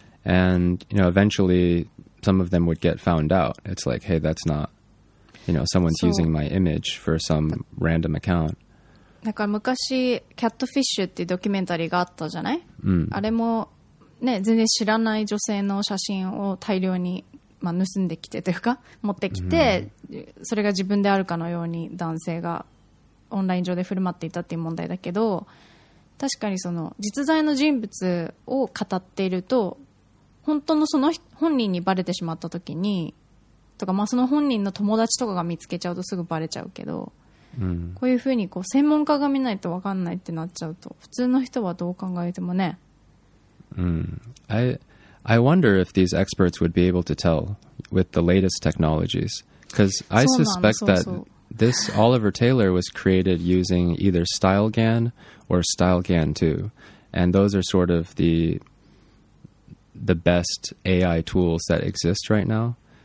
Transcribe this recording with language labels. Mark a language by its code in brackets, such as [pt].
[en] And, you know, eventually some of them would get found out. It's like, hey, that's not. You know, someone's using my image for some random account. [ja] だから昔、キャットフィッシュっていうドキュメンタリーがあったじゃない？あれも、ね、全然知らない女性の写真を大量に、まあ、盗んできてというか、持ってきて、それが自分であるかのように男性がオンライン上で振る舞っていたっていう問題だけど、確かにその実在の人物を語っていると、本当のその本人にバレてしまったときに、とか、まあ、その本人の友達とかが見つけちゃうとすぐバレちゃうけど、こういうふうにこう専門家が見ないと分かんないってなっちゃうと、普通の人はどう考えてもね。 [en] I wonder if these experts would be able to tell with the latest technologies. Because I suspect that this Oliver Taylor was created using either StyleGAN or StyleGAN 2. And those are sort of the best AI tools that exist right now.